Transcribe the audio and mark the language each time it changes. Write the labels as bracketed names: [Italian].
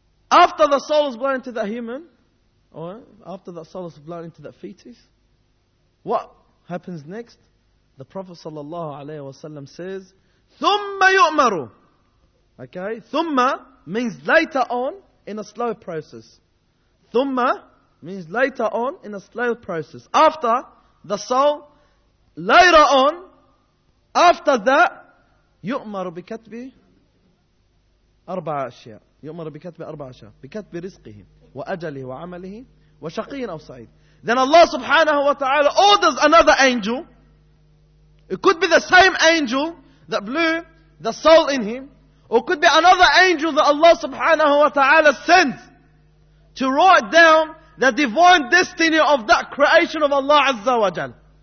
[English] After the soul is blown into that human, or after that soul is blown into that fetus, what happens next? The Prophet sallallahu alayhi wa sallam says, [Arabic] ثُمَّ يُؤْمَرُ. [English] Okay? Thumma means later on in a slow process. Thumma means later on in a slow process. After the soul, later on, after that, [Arabic] يُؤْمَرُ بِكَتْبِ أَرْبَعَ أَشْيَاءَ يُؤْمَرُ بِكَتْبِ أَرْبَعَ أَشْيَاءَ بِكَتْبِ رِزْقِهِ وَأَجَلِهِ وَعَمَلِهِ وَشَقِيٍّ أَوْ سَعِيدٍ. [English] Then Allah subhanahu wa ta'ala orders another angel. It could be the same angel that blew the soul in him, or could be another angel that Allah subhanahu wa ta'ala sends to write down the divine destiny of that creation of Allah azza wa jal.